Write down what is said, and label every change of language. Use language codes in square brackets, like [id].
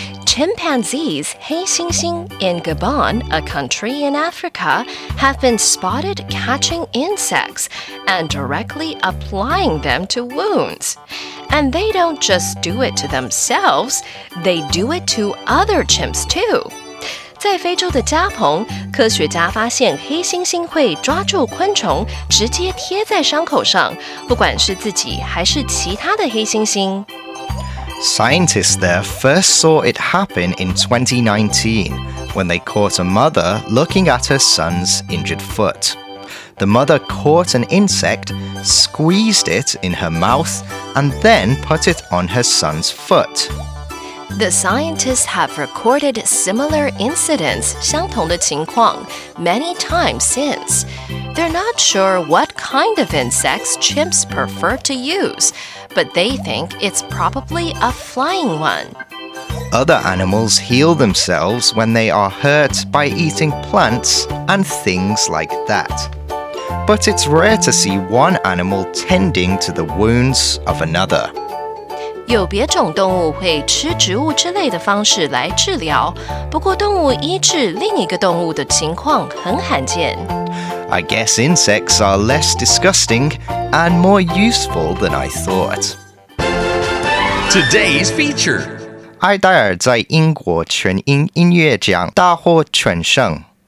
[en] Chimpanzees, 黑猩猩, in Gabon, a country in Africa, have been spotted catching insects and directly applying them to wounds. And they don't just do it to themselves, they do it to other chimps, too. [zh] 在非洲的加蓬，科学家发现黑猩猩会抓住昆虫，直接贴在伤口上，不管是自己还是其他的黑猩猩。 [en] Scientists there first saw it happen in 2019, when they caught a mother looking at her son's injured foot. The mother caught an insect, squeezed it in her mouth, and then put it on her son's foot. The scientists have recorded similar incidents, [zh] 相同的情况, [en] many times since. They're not sure what kind of insects chimps prefer to use, but they think it's probably a flying one. Other animals heal themselves when they are hurt by eating plants and things like that. But it's rare to see one animal tending to the wounds of another. [zh] 有别种动物会吃植物之类的方式来治疗，不过动物医治另一个动物的情况很罕见。 [en] I guess insects are less disgusting and more useful than I thought. Today's feature. [zh] 艾黛尔在英国全英音乐奖大获全胜。